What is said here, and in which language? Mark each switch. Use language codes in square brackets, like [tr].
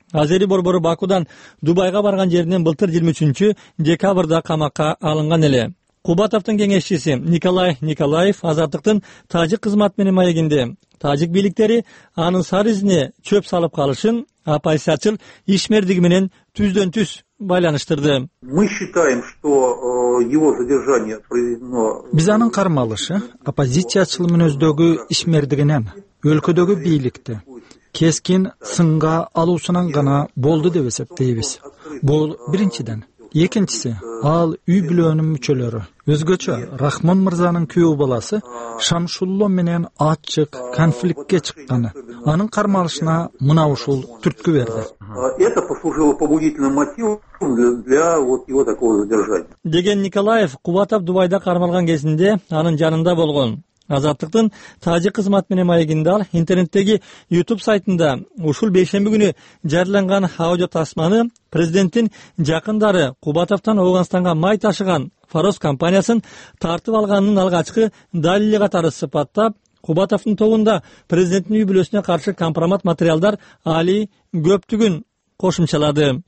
[ky] Азери Борбору Бакудан Дубайга барган жеринен былтыр 23 декабрда камакка алынган эле. Кубатовдун кеңешчиси Николай Николаев Азаттыктын тажик кызматы менен маегинде. Тажик бийликтери анын сары изине чөп салып калышын оппозициячыл ишмердиги менен түздөн түз байланыштырды. [ru] Мы считаем, что его задержание произведено. [ky] Биз анын кармалышы оппозициячыл мүнөздөгү ишмердигинен өлкөдөгү бийликти кескин сынга алуусунан гана болду деп эсептейбиз. Бул биринчиден. Экинчиси, ал үй бүлөнүн мүчөлөрү. Өзгөчө Рахмон мырзанын күйөө баласы Шамшулло менен ачык конфликтке чыкканы анын кармалышына мына ушул түрткү берди. [ru] Это послужило побудительным мотивом для вот его такого задержания. [ky] Деген Николаев Кубатов Дубайда кармалган кезинде анын жанында болгон. Азаттыктын тажик кызматы менен маегинде ал интернеттеги YouTube сайтында ушул бейшемби күнү жарыяланган аудио тасманы президенттин жакындары Кубатовдон Ауганстанга май ташыган Фарос компаниясын тартып алганынын алгачкы далили катары сыпаттап, Кубатовдун тобунда президенттин үй бүлөсүнө каршы компромат материалдар али көптүгүн кошумчалады.